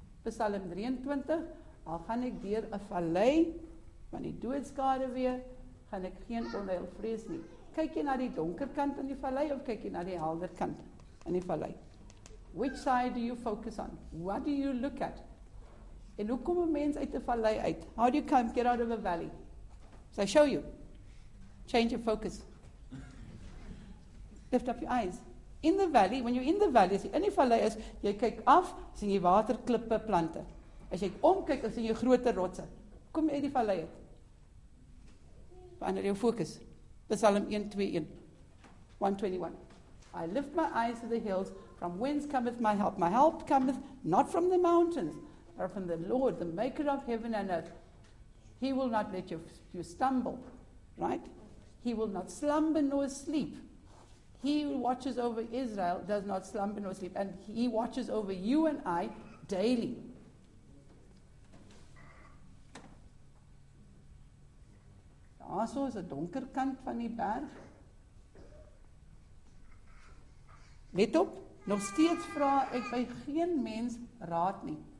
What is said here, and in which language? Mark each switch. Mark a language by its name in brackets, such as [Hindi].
[Afrikaans] Psalm 23, al gaan ek deur 'n vallei, van die doodskade weer, gaan ek geen onheil vrees nie. Kyk jy na die donker kant in die vallei, of kyk jy na die helder kant in die vallei? [English] Which side do you focus on? What do you look at? [Afrikaans] En hoe kom 'n mens uit die vallei uit? [English] How do you come, get out of a valley? So I show you. Change your focus. Lift up your eyes. In the valley, [Afrikaans] when you're in the valley, as jy in die vallei is, jy kyk af, sien jy waterklippe, plante. As jy omkyk, sien jy groter rotse. Kom jy uit die vallei uit. Verander jou fokus. [English] Psalm 121. I lift my eyes to the hills, from whence cometh my help. My help cometh not from the mountains, but from the Lord, the maker of heaven and earth. He will not let you stumble, right? He will not slumber nor sleep. He who watches over Israel does not slumber nor sleep, and he watches over you and I daily. [Afrikaans] Daar so is 'n donker kant van die berg. Let op, nog steeds vra ek by geen mens raad nie.